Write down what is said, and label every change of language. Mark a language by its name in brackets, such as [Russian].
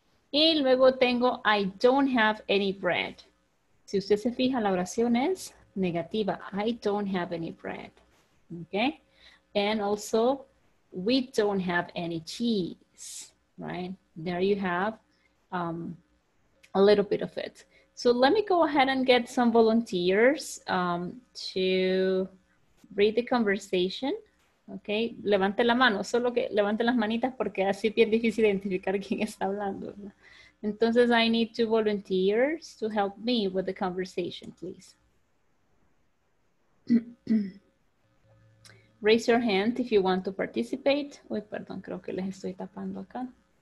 [Spanish] Y luego tengo [English] I don't have any bread. [Spanish] Si usted se fija, la oración es negativa. [English] I don't have any bread, ¿ok? And also we don't have any cheese. Right, there you have a little bit of it. So let me go ahead and get some volunteers to read the conversation. [Spanish] Okay, levante la mano, solo que levante las manitas porque así es difícil identificar quién está hablando. [English] Entonces, I need two volunteers to help me with the conversation, please. Raise your hand if you want to participate. [Spanish] Uy, perdón, creo que les estoy tapando acá.